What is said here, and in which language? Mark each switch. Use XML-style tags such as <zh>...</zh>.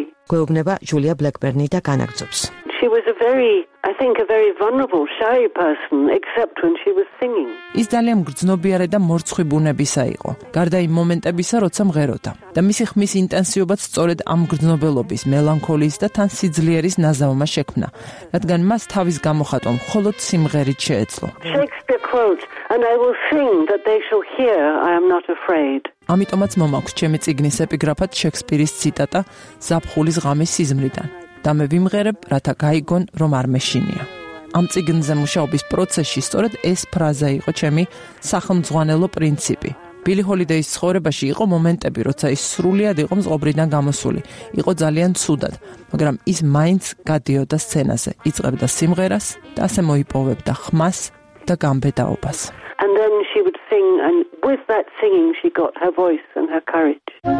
<ka>გვეუბნება ჯულია ბლეკბერნი და განაგრძობს.</ka> <en>She was a very vulnerable, shy person except when she was singing.</en> <ka>ის ძალიან მგრძნობიარე და მორცხვი ბუნებისა იყო, გარდა იმ მომენტებისა, როცა მღეროდა. და მისი ხმის ინტენსივობაც სწორედ ამ მგრძნობელობის, მელანქოლიის და თან სიძლიერის ნაზავმა შექმნა, რადგან მას თავის გამოხატვა მხოლოდ სიმღერით შეეძლო.</ka> <en>Shakespeare quote, and I will sing that they shall hear I am not afraid.</en> <ka>ამიტომაც მომაქვს ჩემი წიგნის ეპიგრაფად შექსპირის ციტატა ზაფხულის ღამის სიზმრიდან: და მე ვიმღერებ, რათა გაიგონ, რომ არ მეშინია. ამ წიგნზე მუშაობის პროცესში სწორედ ეს ფრაზა იყო ჩემი სახელმძღვანელო პრინციპი. Billie Holiday-ის ცხოვრებაში იყო მომენტები, როცა ის სრულიად იყო მწყობრიდან გამოსული, იყო ძალიან ცუდად, მაგრამ ის მაინც გადიოდა სცენაზე, იწყებდა სიმღერას და ასე მოიპოვებდა ხმას და გამბედაობას.</ka> <en>And then she would sing, and with that singing she got her voice and her courage.</en>